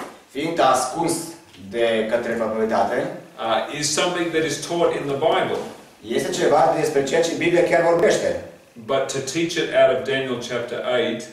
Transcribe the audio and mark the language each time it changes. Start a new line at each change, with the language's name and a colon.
Romanian: fiind ascuns de către papalitate,
English: is something that is taught in the Bible.
Romanian: Este ceva despre ceea ce Biblia chiar vorbește.
English: But to teach it out of Daniel chapter 8,